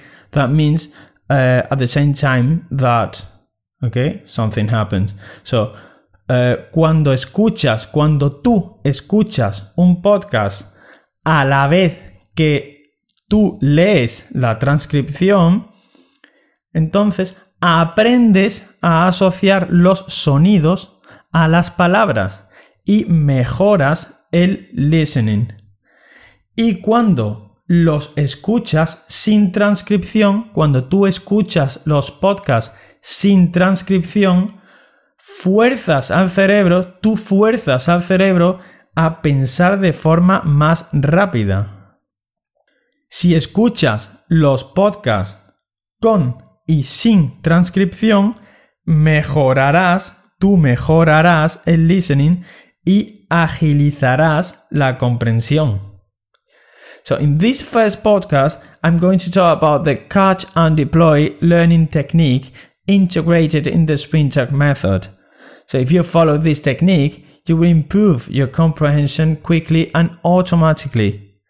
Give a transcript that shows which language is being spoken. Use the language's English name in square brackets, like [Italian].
[English] That means at the same time that, okay, something happens. [Spanish] So cuando tú escuchas un podcast a la vez que tú lees la transcripción, entonces aprendes a asociar los sonidos a las palabras y mejoras el listening. Y cuando los escuchas sin transcripción, cuando tú escuchas los podcasts sin transcripción, tú fuerzas al cerebro a pensar de forma más rápida. Si escuchas los podcasts con y sin transcripción, mejorarás el listening y agilizarás la comprensión. [English] So in this first podcast, I'm going to talk about the catch and deploy learning technique integrated in the SprintTalk method. So if you follow this technique, you will improve your comprehension quickly and automatically.